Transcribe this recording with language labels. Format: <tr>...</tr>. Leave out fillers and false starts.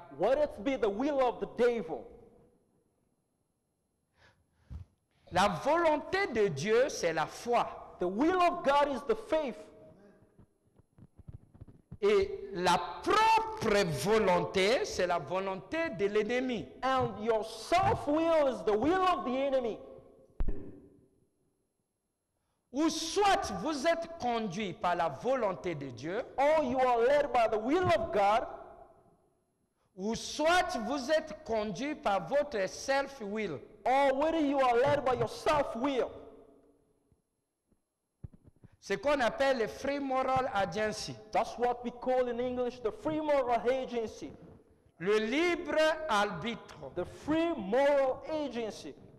<en>Whether it be the will of the devil.</en> <fr>La volonté de Dieu, c'est la foi.</fr> <en>The will of God is the faith.</en> <fr>Et la propre volonté, c'est la volonté de l'ennemi.</fr> <en>And your self-will is the will of the enemy.</en> <fr>Ou soit vous êtes conduit par la volonté de Dieu.</fr> <en>Or you are led by the will of God.</en> <fr>Ou soit vous êtes conduit par votre self-will.</fr> <en>Or whether you are led by your self-will.</en> <fr>Ce qu'on appelle le free moral agency.</fr> <en>That's what we call in English the free moral agency.</en> <fr>Le libre arbitre.</fr> <en>The free moral agency.</en>